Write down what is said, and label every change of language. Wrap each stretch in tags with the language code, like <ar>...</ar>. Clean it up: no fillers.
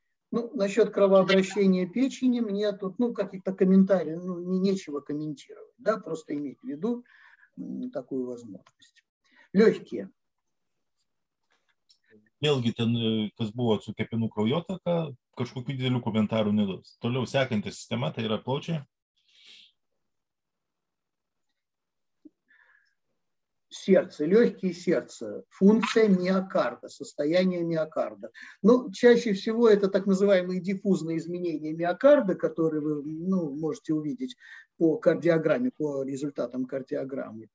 <ru>Ну, насчет кровообращения печени, мне тут, ну, какие-то комментарии, ну, нечего комментировать, да, просто иметь в виду такую возможность. Легкие.</ru> <lt>Vėlgi, ten, kas buvo su kepenų kraujotaka, kažkokių didelių komentarų nedos. Toliau sekantys sistema, tai yra plaučiai.</lt> <ru>Сердце, легкие сердца, функция миокарда, состояние миокарда. Ну, чаще всего это так называемые диффузные изменения миокарда, которые вы, ну, можете увидеть по кардиограмме, по результатам кардиограммы.</ru>